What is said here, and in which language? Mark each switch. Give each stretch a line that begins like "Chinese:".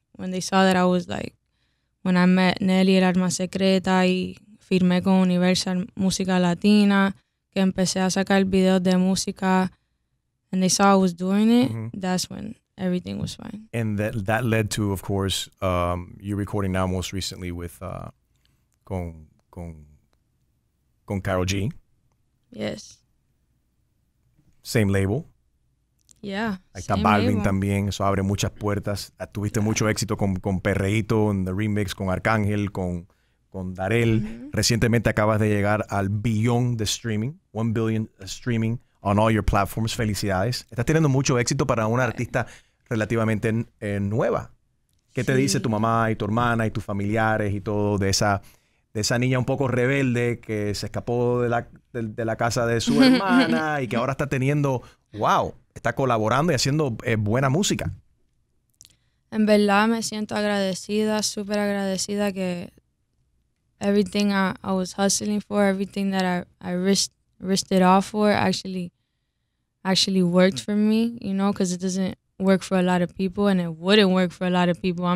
English: When they saw that I was like, when I met Nelly El Arma Secreta
Spanish: y firmé con Universal Música Latina, que empecé a sacar videos de música,
English: and they saw I was doing it, mm-hmm. That's when everything was fine. And that led to, of course, you recording now most recently with con Karol G. Yes. Same label. Yeah.
Spanish: Ahí está Balvin también, eso abre muchas puertas. Tuviste mucho éxito con Perreito en The Remix, con Arcángel, con Darell. Mm-hmm. Recientemente acabas de llegar al billón de streaming,
English: 1 billion streaming on all your platforms.
Spanish: Felicidades. Estás teniendo mucho éxito para una artista relativamente nueva. ¿Qué te dice tu mamá y tu hermana y tus familiares y todo de esa niña un poco rebelde que se escapó de la casa de su hermana y que ahora está teniendo, wow, está colaborando y haciendo buena música? En verdad me siento agradecida, súper agradecida que
English: everything I was hustling for, everything that I risked it all for actually worked for me, you know, because it doesn't work for a lot of people and it wouldn't work for a lot of people.